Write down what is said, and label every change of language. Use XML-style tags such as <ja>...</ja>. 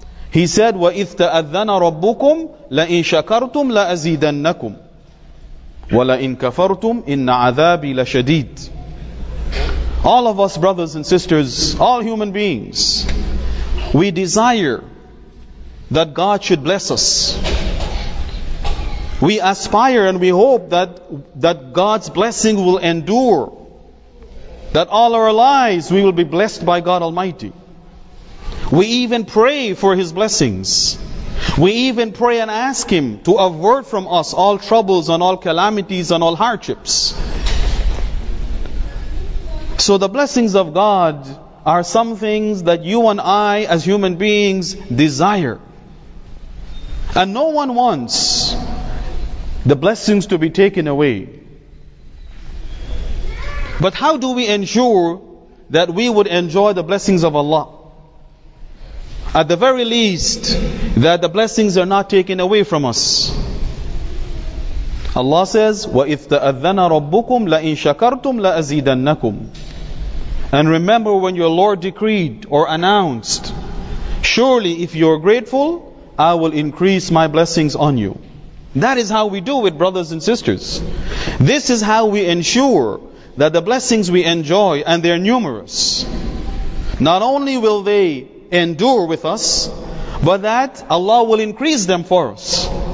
<en>He said,</en> <ar>وَإِذْ تَأَذَّنَ رَبُّكُمْ لَإِنْ شَكَرْتُمْ لَأَزِيدَنَّكُمْ وَلَإِنْ كَفَرْتُمْ إِنَّ عَذَابِي لَشَدِيدٌ.</ar> <en>All of us, brothers and sisters, all human beings, we desire that God should bless us. We aspire and we hope that God's blessing will endure, that all our lives we will be blessed by God Almighty. We even pray for His blessings. We even pray and ask Him to avert from us all troubles and all calamities and all hardships. So the blessings of God are some things that you and I as human beings desire. And no one wants the blessings to be taken away. But how do we ensure that we would enjoy the blessings of Allah? At the very least, that the blessings are not taken away from us. Allah says,</en> <ar>وَإِذْ تَأَذَّنَ رَبُّكُمْ لَإِنْ شَكَرْتُمْ لَأَزِيدَنَّكُمْ.</ar> <en>And remember when your Lord decreed or announced, surely if you are grateful, I will increase my blessings on you. That is how we do it, brothers and sisters. This is how we ensure that the blessings we enjoy, and they are numerous, not only will they endure with us, but that Allah will increase them for us.</en>